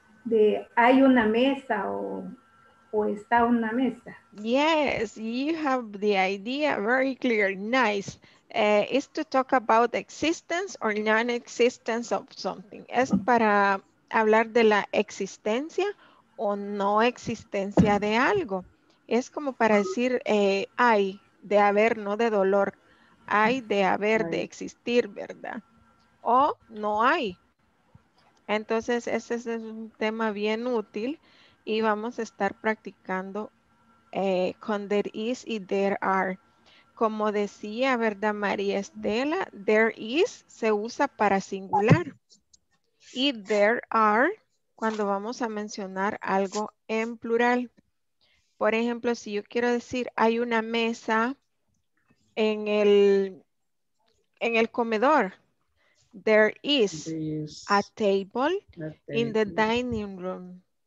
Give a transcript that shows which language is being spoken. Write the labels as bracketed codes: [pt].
[es] De hay una mesa o está una mesa. [en] Yes, you have the idea. Very clear. Nice. Is to talk about existence or non-existence of something. [es] Es para hablar de la existencia o no existencia de algo. Es como para decir hay, de haber, no de dolor. Hay, de haber, de existir, ¿verdad? O no hay. Entonces, ese es un tema bien útil y vamos a estar practicando con there is y there are. Como decía, ¿verdad, María Estela? There is se usa para singular. Y there are cuando vamos a mencionar algo en plural. Por ejemplo, si yo quiero decir hay una mesa en el comedor. [en] There is a table in the dining room.